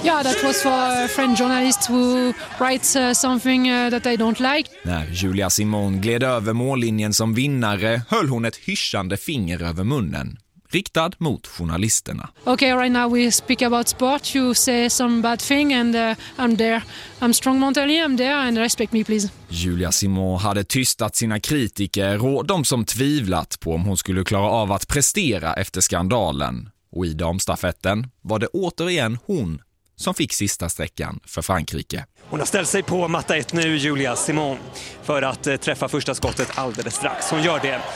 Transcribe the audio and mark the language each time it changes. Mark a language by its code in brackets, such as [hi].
[en] Yeah, that was for a French journalist who writes something that I don't like. [sv] När Julia Simon gled över mållinjen som vinnare höll hon ett hyschande finger över munnen, riktad mot journalisterna. [en] Okay, right now we speak about sport. You say some bad thing and I'm there. I'm strong mentally, I'm there and respect me please. [sv] Julia Simon hade tystat sina kritiker och de som tvivlat på om hon skulle klara av att prestera efter skandalen. Och i damstafetten var det återigen hon som fick sista sträckan för Frankrike. Hon har ställt sig på matta 1 nu, Julia Simon, för att träffa första skottet alldeles strax. Hon gör det.